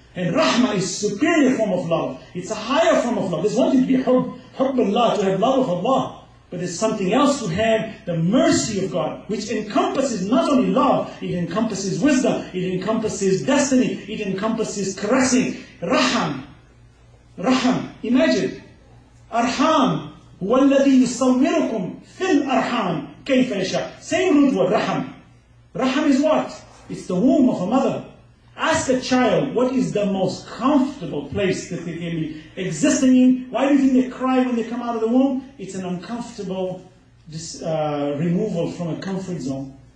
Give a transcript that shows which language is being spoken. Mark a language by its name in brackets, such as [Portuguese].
[English] And Rahma is superior form of love. It's a higher form of love. There's one thing to be hubbullah, to have love of Allah. But there's something else to have, the mercy of God, which encompasses not only love, it encompasses wisdom, it encompasses destiny, it encompasses caressing. Raham. Raham. Imagine. Arham. [Arabic] هو الذي يصوركم في الأرحام كيف يشاء. [English] Same root word, رحم. رحم is what? It's the womb of a mother. Ask a child, what is the most comfortable place that they can be existing in? Why do you think they cry when they come out of the womb? It's an uncomfortable removal from a comfort zone.